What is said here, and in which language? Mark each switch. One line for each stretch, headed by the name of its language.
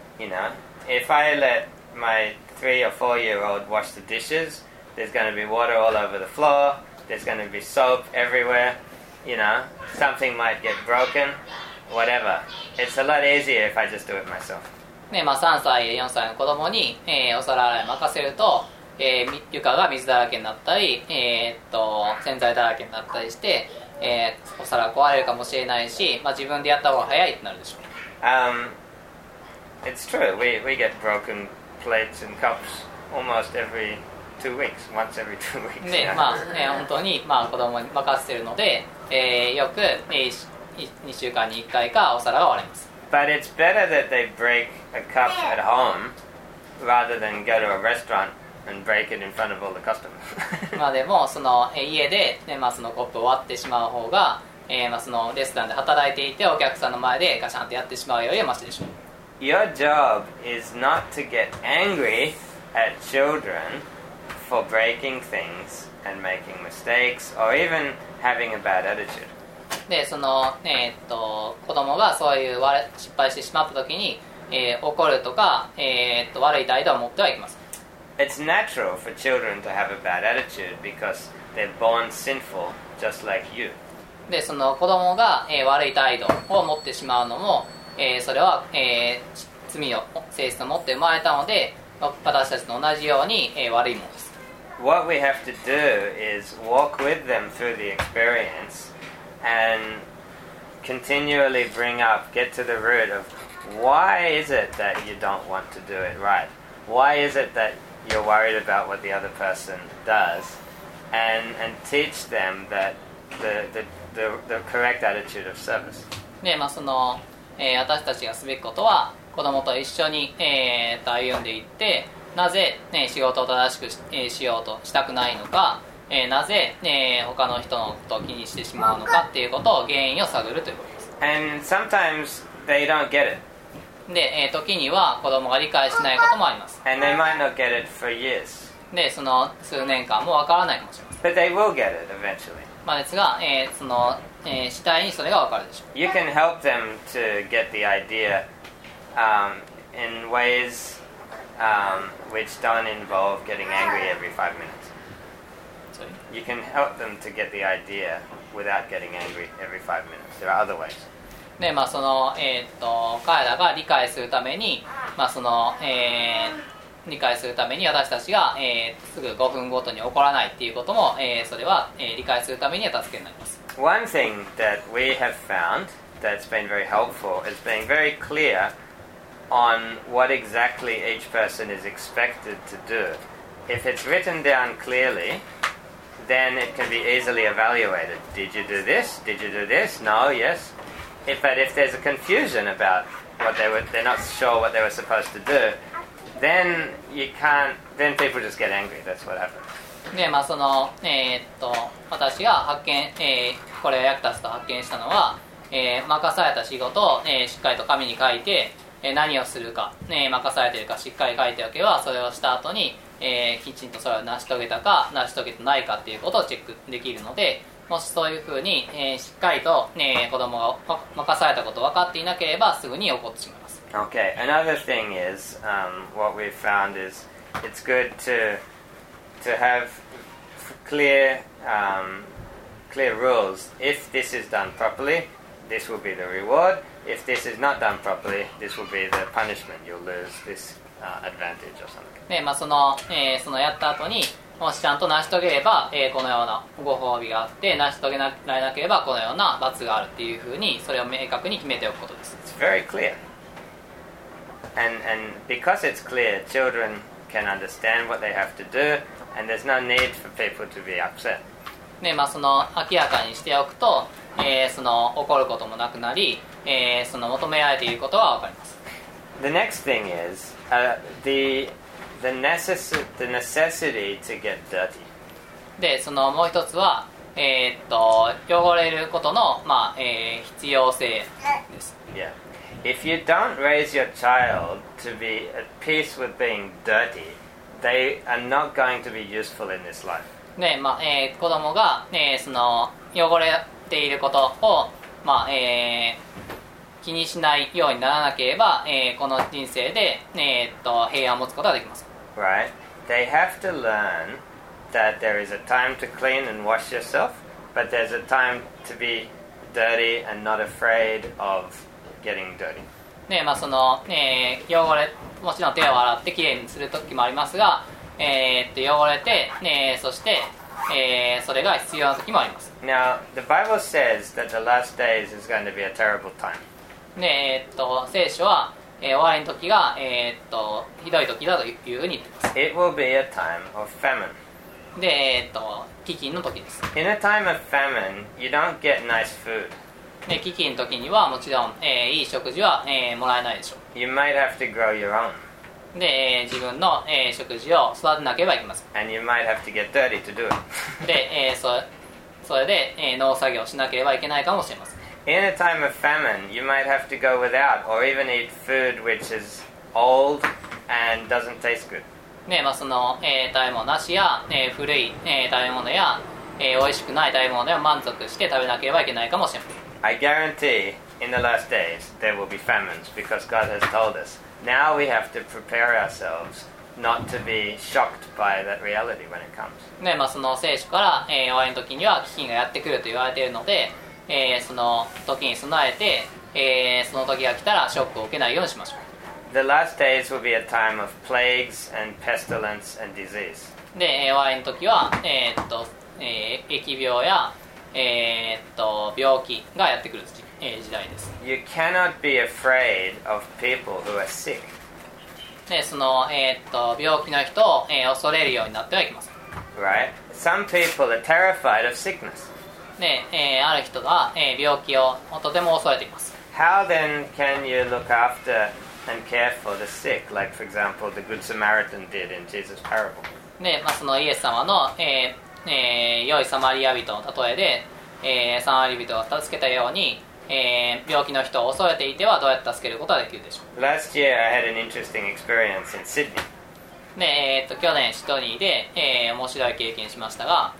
English: You know, if I let my 3 or 4 year old wash the dishes, there's going to be water all over the floor, there's going to be soap everywhere, you know, something might get broken. Whatever. It's a lot easier if I just do it myself.
Japanese: ね、まあ3歳、4歳の子供に、お皿洗い任せると、床が水だらけになったり、洗剤だらけになったりして、お皿壊れるかもしれないし、まあ、自分でやった方が早いってなるでしょう。
English: It's true. We get broken plates and cups almost every two weeks. Once every two weeks.
Japanese: で、まあ、ね、本当に、まあ、子供に任せてるので、よく、2週間に1回かお皿が割れます。
English: But it's better that they break a cup at home rather than go to a restaurant and break it in front of all the customers.
Japanese: まあでも、その、家で、ね、まあ、そのコップを割ってしまう方が、まあ、そのレストランで働いていてお客さんの前でガシャンとやってしまうよりはマシでしょう。
English: Your job is not to get angry at children for breaking things and making mistakes or even having a bad attitude.
Japanese: で、その、子供がそういう失敗してしまった時に、怒るとか、悪い態度を持ってはいけません。
English: It's natural for children to have a bad attitude because they're born sinful just like you.
Japanese: で、その子供が、悪い態度を持ってしまうのもそれは、罪を性質を持って生まれたので私たちと同じように、悪いものです。
English: What we have to do is walk with them through the experience and continually bring up, get to the root of why is it that you don't want to do it right? Why is it that you're worried about what the other person does? And teach them that the correct attitude of service.
Japanese: ね、まあその私たちがすべきことは子供と一緒に、歩んでいってなぜ、ね、仕事を正しく しようとしたくないのか、なぜ、ね、他の人のことを気にしてしまうのかっていうことを原因を探るということです。
English: And sometimes they don't get it.
Japanese: で、時には子供が理解しないこともあります。
English: And they might not get it for years.
Japanese: で、その数年間もわからないかもしれません。
English: But they will get it eventually.
Japanese: まあですが、その次第にそれが分かるでしょう。
English: You can help them to get the idea in ways which don't involve getting angry every 5 minutes. You can help them to get the idea without getting angry every 5 minutes. There are other ways.
Japanese: で、まあその、彼らが理解するために、まあその、理解するために私たちが、すぐ5分ごとに怒らないっていうことも、それは、理解するためには助けになります。
English: One thing that we have found that's been very helpful is being very clear on what exactly each person is expected to do. If it's written down clearly, then it can be easily evaluated. Did you do this? Did you do this? No, yes. But if there's a confusion about what they're not sure what they were supposed to do, then people just get angry. That's what happens.
Japanese: で、まあその私が発見、これを役立つと発見したのは、任された仕事を、しっかりと紙に書いて、何をするか、任されているかしっかり書いておけば、それをした後に、きちんとそれを成し遂げたか成し遂げてないかっていうことをチェックできるので、もしそういうふうに、しっかりと、子供が任されたことを分かっていなければすぐに怒ってしまいます。
English: Okay, another thing is what we've found is it's good toto have clear, clear rules. If this is done properly, this will be the reward. If this is not done properly, this will be the punishment. You'll lose this advantage or something.
Japanese: で、まあその、そのやった後に、もしちゃんと成し遂げれば、このようなご褒美があって、成し遂げられなければこのような罰があるっていうふうに、それを明確に決めておくことです。
English: It's very clear. And because it's clear, children can understand what they have to do. And there's no need for people to be upset.
Japanese: ね、まあその明らかにしておくと、その怒ることもなくなり、その求められていることはわかります。
English: The next thing is the necessity to get dirty.
Japanese: で、そのもう一つは、汚れることの、まあ必要性です。
English: Yeah. If you don't raise your child to be at peace with being dirty,They are not going to be useful in this life.
Japanese: ね、まあ子供が、その汚れていることを、まあ気にしないようにならなければ、この人生で、平安を持つことができます。
English: Right. They have to learn that there is a time to clean and wash yourself, but there's a time to be dirty and not afraid of getting dirty.
Japanese: ね、まあその、汚れもちろん手を洗ってきれいにするときもありますが、汚れて、そして、それが必要な時もあります。
English: Now, the Bible says that the last days is going to be a terrible time.
Japanese: ね、聖書は、終わりの時が、ひどい時だというふうに言っています。
English: It will be a time of famine.
Japanese: で、飢饉の時です。
English: In a time of famine, you don't get nice food.
Japanese: で危機の時にはもちろん、いい食事は、もらえないでしょう。
English: You might have to grow your own.
Japanese: で、自分の、食事を育てなければいけません。
English: And you might have to get dirty to do it.
Japanese: で、それで、農作業をしなければいけないかもしれません。
English: In a time of famine, you might have to go without or even eat food which is old and doesn't taste good.
Japanese: で、まあ、その、食べ物なしや、古い、食べ物や、美味しくない食べ物では満足して食べなければいけないかもしれません。
English: I guarantee in the last days there will be famines because God has told us. Now we have to prepare ourselves not to be shocked by that reality when it comes.
Japanese: ね、まあ、その聖書から、終わりの時には危機がやってくると言われているので、その時に備えて、その時が来たらショックを受けないようにしましょう。
English: The last days will be a time of plagues and pestilence and disease.
Japanese: で、終わりの時は、疫病や病気がやってくる 時代です。
English: You cannot be afraid of people who are sick.
Japanese: で、その、病気の人を、恐れるようになってはいけません。
English: Right? Some people are terrified of sickness.
Japanese: で、ある人が、病気をとても恐れています。
English: How then can you look after and care for the sick, like for example the Good Samaritan did in Jesus' parable?
Japanese: で、まあ、そのイエス様の、良いサマリア人の例えで、サマリア人が助けたように、病気の人を恐れていてはどうやって助けることができるでしょう。
English: Last year I had an interesting experience in Sydney.
Japanese: で、去年シドニーで、面白い経験しましたが、